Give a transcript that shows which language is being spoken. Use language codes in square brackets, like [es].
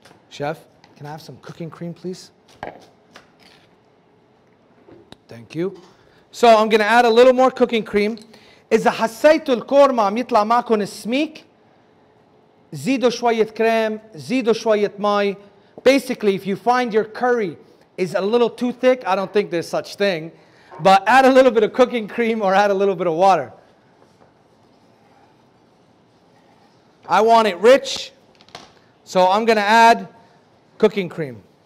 [en] Chef, can I have some cooking cream, please? Thank you. So I'm going to add a little more cooking cream. [ar] إذا حسيتوا الكورما عم يطلع معكم السميك, زيدوا شوية كريم, زيدوا شوية مي. [en] Basically, if you find your curry is a little too thick, I don't think there's such thing, but add a little bit of cooking cream or add a little bit of water. I want it rich, so I'm going to add cooking cream.